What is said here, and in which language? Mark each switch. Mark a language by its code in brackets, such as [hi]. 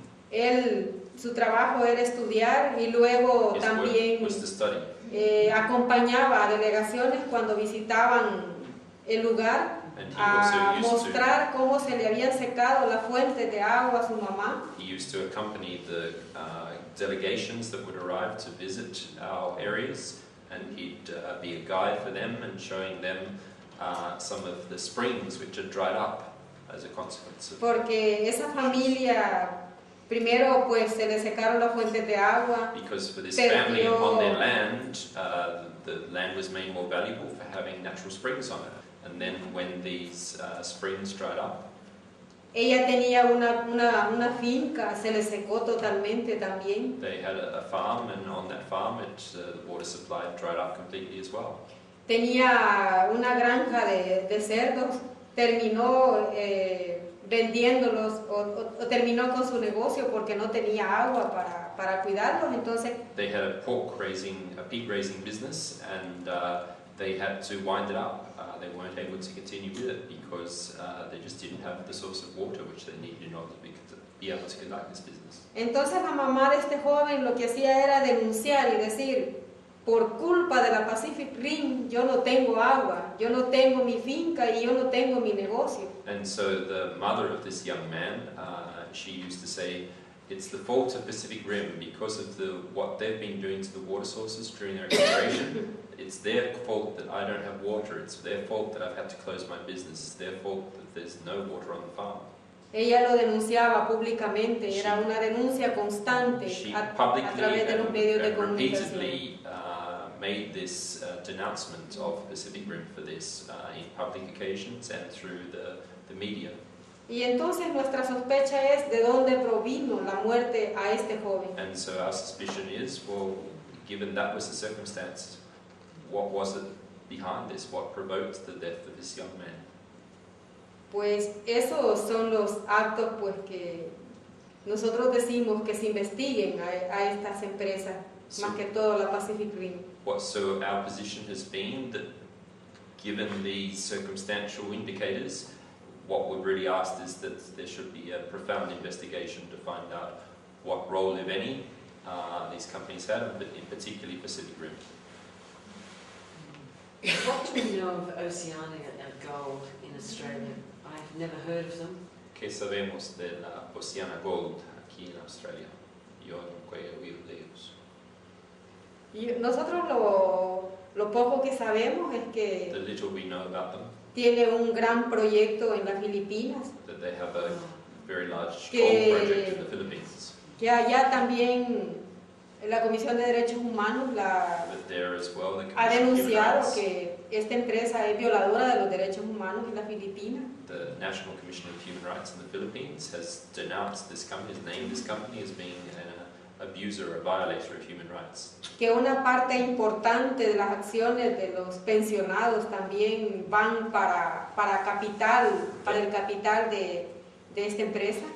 [es] Él, su trabajo era estudiar y luego también acompañaba a delegaciones cuando visitaban el lugar. [en] And he a also used [es] mostrar [en] to, [es] cómo se le había secado la fuente de agua a su mamá. [en] He used to accompany the delegations that would arrive to visit our areas, and he'd be a guide for them and showing them some of the springs which had dried up as a consequence of. [es] Porque esa familia primero pues se le secaron las fuentes de agua. [en] Because for this family on their land, the land was made more valuable for having natural springs on it. And then when these springs dried up, [es] ella tenía una finca, se le secó totalmente también. [en] They had a farm, and on that farm, the water supply dried up completely as well. [es] Tenía una granja de cerdos, terminó vendiéndolos o terminó con su negocio porque no tenía agua para cuidarlos. Entonces, [en] they had a pig raising business, and they had to wind it up. They weren't able to continue with it because they just didn't have the source of water which they needed in order to be be able to conduct this business. [es] Entonces la mamá de este joven lo que hacía era denunciar y decir, por culpa de la Pacific Rim, yo no tengo agua, yo no tengo mi finca y yo no tengo mi negocio. [en] And so the mother of this young man, she used to say, it's the fault of Pacific Rim because of the what they've been doing to the water sources during their exploration. It's their fault that I don't have water. It's their fault that I've had to close my business. It's their fault that there's no water on the farm. [es] Ella lo denunciaba públicamente. Era una denuncia constante a través de los medios de comunicación. [en] She publicly made this denouncement of Pacific Rim for this in public occasions and through the media. [es] Y entonces nuestra sospecha es de dónde provino la muerte a este joven. [en] And so our suspicion is, well, given that was the circumstance, what was it behind this? What provoked the death of this young man? [es] Pues esos son los actos pues que nosotros decimos que se investiguen a estas empresas, so, más que todo la Pacific Rim. [en] What, so our position has been that given these circumstantial indicators, what we've really asked is that there should be a profound investigation to find out what role, if any, these companies have, but in particularly Pacific Rim. What do we know of Oceania and Gold in Australia? I've never heard of them. [es] ¿Qué sabemos de la Oceana Gold aquí en Australia? Yo nunca he oído de ellos. Nosotros lo poco que sabemos es que [en] the little we know about them. [es] Tiene un gran proyecto en las Filipinas. [en] That they have a very large gold project in the Philippines. [es] Que allá también la Comisión de Derechos Humanos la [en] well, [es] ha denunciado que esta empresa es violadora de los derechos humanos en la Filipina. [en] The National Commission of Human Rights in the Philippines has denounced this company, has named this company as being an abuser, a violator of human rights. [es] Que una parte importante de las acciones de los pensionados también van para capital, para el capital de esta empresa.